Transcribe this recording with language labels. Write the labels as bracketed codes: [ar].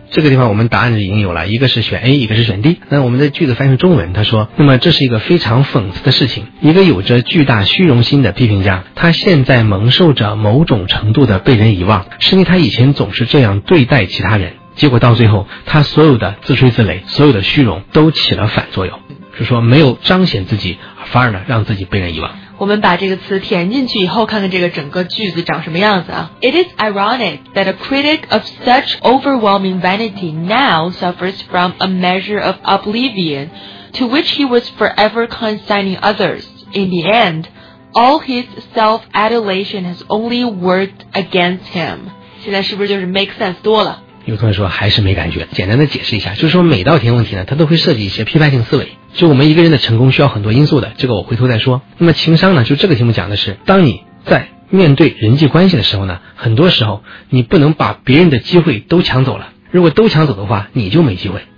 [zh] 这个地方我们答案就已经有了，一个是选 A， 一个是选 D。那我们的句子翻译成中文，他说：那么这是一个非常讽刺的事情，一个有着巨大虚荣心的批评家，他现在蒙受着某种程度的被人遗忘，是因为他以前总是这样对待其他人，结果到最后，他所有的自吹自擂，所有的虚荣都起了反作用，是说没有彰显自己，反而呢让自己被人遗忘。我们把这个词填进去以后，看看这个整个句子长什么样子啊。 [en] It is ironic that a critic of such overwhelming vanity now suffers from a measure of oblivion to which he was forever consigning others. In the end, all his self-adulation has only worked against him. [zh] 现在是不是就是 make sense 多了？有同学说还是没感觉，简单的解释一下，就是说每道填空题呢，它都会设计一些批判性思维，就我们一个人的成功需要很多因素的，这个我回头再说。那么情商呢，就这个题目讲的是，当你在面对人际关系的时候呢，很多时候你不能把别人的机会都抢走了，如果都抢走的话，你就没机会。